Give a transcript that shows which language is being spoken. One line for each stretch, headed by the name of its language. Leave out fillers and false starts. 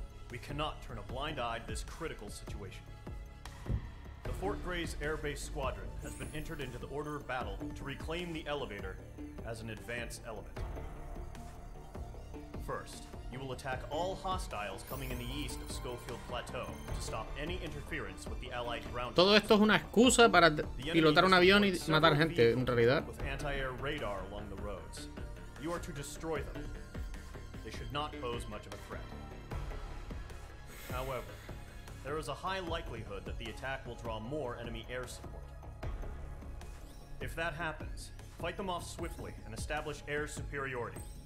English: We cannot turn a blind eye to this critical situation. The Fort Gray's Air Base Squadron has been entered into the order of battle to reclaim the elevator as an advance element. First, you will attack all hostiles coming in the east of Schofield Plateau to stop any interference with the Allied ground.
Spanish: Todo esto es una excusa para pilotar un avión y matar gente, en realidad.
English: With anti-air radar along the roads. You are to destroy them. They should not pose much of a threat. However, there is a high likelihood that the attack will draw more enemy air support. If that happens, fight them off swiftly and establish air superiority.